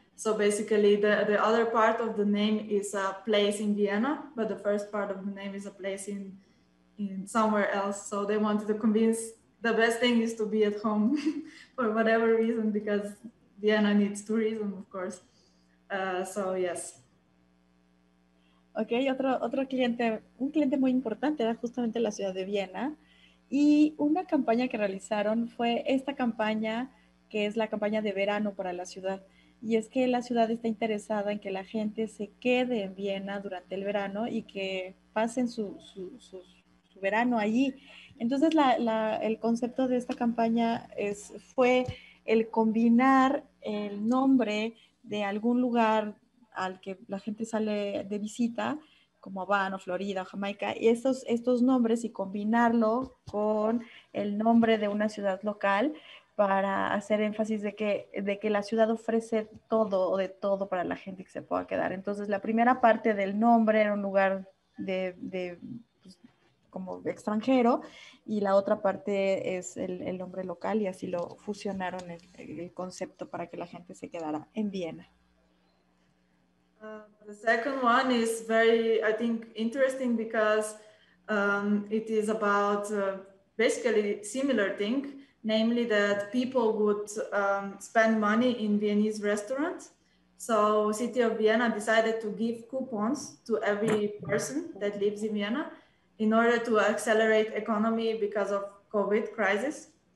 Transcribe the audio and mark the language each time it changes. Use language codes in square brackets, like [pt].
[en] So basically the other part of the name is a place in Vienna, but the first part of the name is a place in somewhere else. So they wanted to convince, the best thing is to be at home for whatever reason, because Vienna needs tourism, of course. So yes. [es] Ok, otro cliente, un cliente muy importante era justamente la ciudad de Viena, y una campaña que realizaron fue esta campaña, que es la campaña de verano para la ciudad, y es que la ciudad está interesada en que la gente se quede en Viena durante el verano y que pasen su verano allí. Entonces el concepto de esta campaña fue el combinar el nombre de algún lugar al que la gente sale de visita, como Habana, Florida, Jamaica, y estos nombres, y combinarlo con el nombre de una ciudad local para hacer énfasis de que la ciudad ofrece todo o de todo para la gente que se pueda quedar. Entonces, la primera parte del nombre era un lugar de pues, como extranjero, y la otra parte es el nombre local, y así lo fusionaron el concepto para que la gente se quedara en Viena. [en] The second one is very, I think, interesting because it is about basically similar thing, namely that people would spend money in Viennese restaurants. So City of Vienna decided to give coupons to every person that lives in Vienna in order to accelerate economy because of COVID crisis.